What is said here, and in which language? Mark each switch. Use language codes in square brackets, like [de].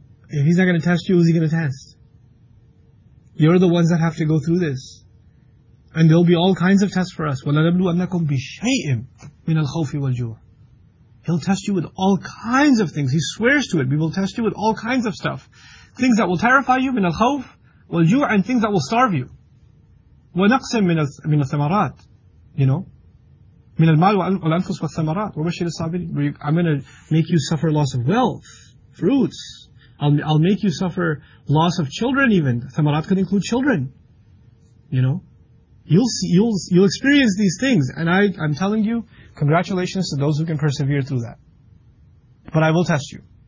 [en] If he's not going to test you, who's he going to test? You're the ones that have to go through this. And there'll be all kinds of tests for us. [ar] وَلَنَبْلُوَنَّكُمْ بِشَيْءٍ مِنَ الْخَوْفِ وَالْجُوعِ. [en] He'll test you with all kinds of things. He swears to it. We will test you with all kinds of stuff. Things that will terrify you, [ar] مِنَ الْخَوْفِ وَالْجُوعِ, [en] and things that will starve you. [ar] وَنَقْسِمْ مِنَ الثَّمَرَاتِ, [en] you know? [ar] مِنَ الْمَالِ وَالْأَنفُسِ وَالثَّمَرَاتِ وَبَشِّرِ الصَّابِرِينَ. [en] I'm going to make you suffer loss of wealth, fruits. I'll make you suffer loss of children even. ثَمَرَات could include children. You know? You'll experience these things. And I'm telling you, congratulations to those who can persevere through that. But I will test you.